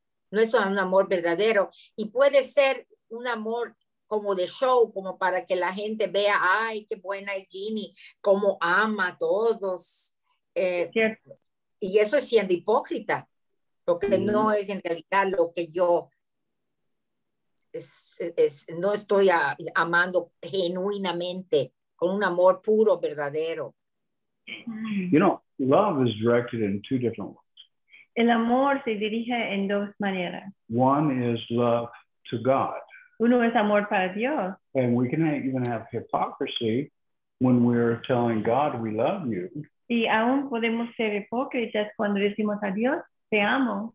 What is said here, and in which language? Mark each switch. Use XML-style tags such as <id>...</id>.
<es>No es un amor verdadero. Y puede ser un amor como de show, como para que la gente vea, ay, qué buena es Jeannie, cómo ama a todos. Y eso es siendo hipócrita, porque no es en realidad lo que yo no estoy amando genuinamente, con un amor puro, verdadero.</es> <en>You know, love is directed in two different ways.</en> <es>El amor se dirige en dos maneras.</es> <en>One is love to God.</en> <es>Uno es amor para Dios.</es> <en>And we can even have hypocrisy when we're telling God we love you.</en> <es>Y aún podemos ser hipócritas cuando decimos a Dios, te amo.</es>